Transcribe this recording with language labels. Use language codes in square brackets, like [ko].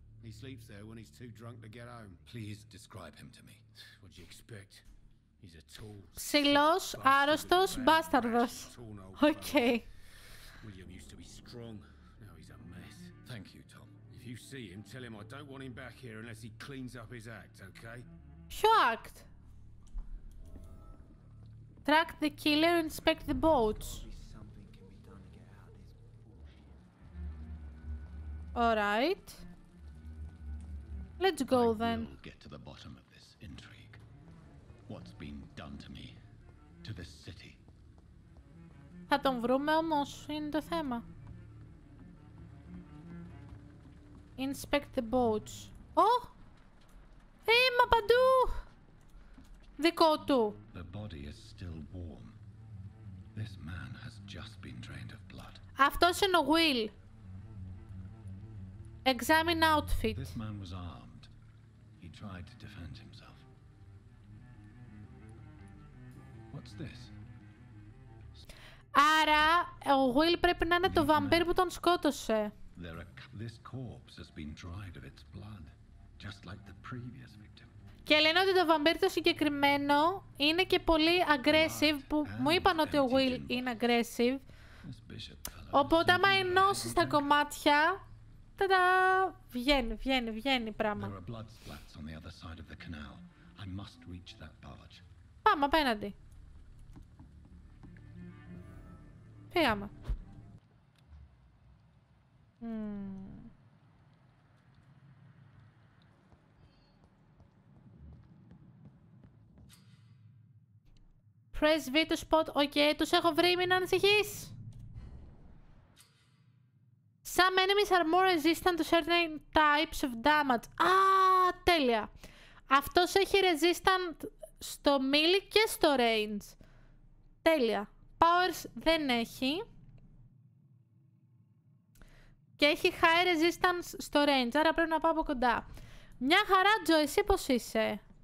[en] He sleeps there when he's too drunk to get home. Please describe him to me. What do you expect? He's a tall, [el] ψηλός, άρρωστος, μπάσταρδος. [en] Okay. William used to be strong. Now he's a mess. Thank you, Tom. If you see him, tell him I don't want him back here unless he cleans up his act, okay? [el] Ποιο act? [en] Track the killer, inspect the boats. Alright. Let's go then. I will get to the bottom of this intrigue. What's been done to me, to this city? [el] Θα τον βρούμε όμως, είναι το θέμα. [en] Inspect the boats. Oh! [el] Είμαι παντού! Δικό του. [en] The body is still warm. This man has just been drained of blood. [el] Αυτός είναι ο Will. [en] Examine outfit. This man was armed. Tried to defend himself. What's this? [el] Άρα, ο Will πρέπει να είναι το βαμπύρ που τον σκότωσε. [en] This corpse has been dried of its blood, just like the previous victim. [el] Και λένε ότι το βαμπύρ το συγκεκριμένο είναι και πολύ aggressive, που μου είπαν ότι ο Will είναι aggressive. Οπότε, άμα ενώσεις τα κομμάτια, τα-δα! Βγαίνει πράγμα. [en] There are blood splats on the other side of the canal. I must reach that barge. [el] Πάμε απέναντι. Πήγαμε. [en] Press V to spot. [el] Okay, τους έχω βρει, μην ανησυχείς. [en] Some enemies are more resistant to certain types of damage. [el] Τέλεια. Αυτός έχει resistant στο melee και στο range. Τέλεια. Powers δεν έχει. Και έχει high resistance στο range, άρα πρέπει να πάω από κοντά. Μια χαρά, Τζο, εσύ πώς είσαι?